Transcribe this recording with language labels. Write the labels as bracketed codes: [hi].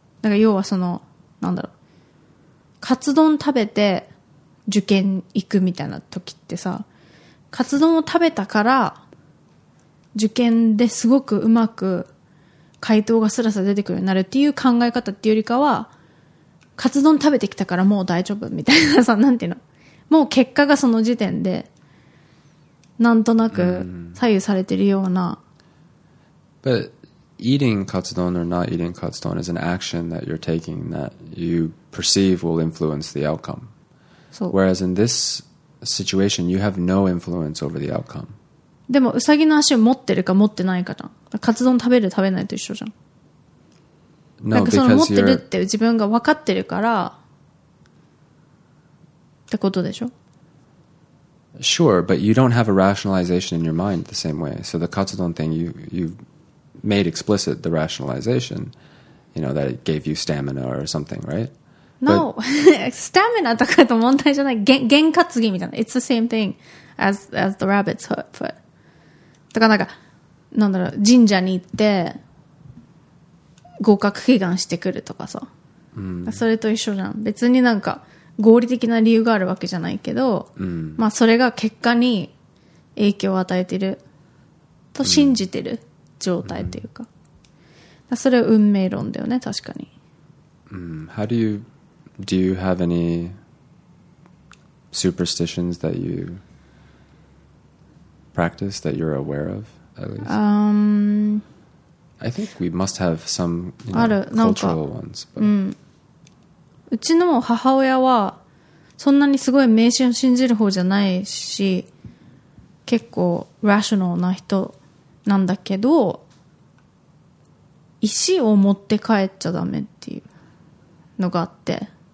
[ja] だから要はその、なんだろう、カツ丼食べて受験行くみたいな時ってさ、カツ丼を食べたから受験ですごくうまく回答がスラスラ出てくるようになるっていう考え方っていうよりかは、カツ丼食べてきたからもう大丈夫みたいなさ、なんていうの、もう結果がその時点でなんとなく左右されてるような、 mm-hmm. [en] But eating katsudon or not eating katsudon is an action that you're taking that you perceive will influence the outcome. So, whereas in this situation, you have no influence over the outcome. [ja] でもウサギの足を持ってるか持ってないかじゃん。カツ丼食べる食べないと一緒じゃん。 [en] No, [ja] なんかその持ってるって自分が分かってるからってことでしょ。 [en] Sure, but you don't have a rationalization in your mind the same way. So the katsudon thing, you made explicit the rationalization, you know, that it gave you stamina or something, right? No, stamina [ja] とかと問題じゃない。原活技みたいな。 [en] It's the same thing as the rabbit's foot. [ja] とかなんか、なんだろう、神社に行って合格祈願してくるとかさ。 Mm. それと一緒じゃん。別になんか、合理的な理由があるわけじゃないけど、 mm. まあそれが結果に影響を与えてると信じてる。 Mm. 状態というか、mm-hmm. それは運命論だよね、確かに。 Mm. [en] How do you have any superstitions that you practice that you're aware of at least? I think we must have some, you know, cultural ones. But... [ja] うちの母親はそんなにすごい迷信を信じる方じゃないし、結構ラショナルな人なんだけど、石を持って帰っちゃダメっていうのがあって、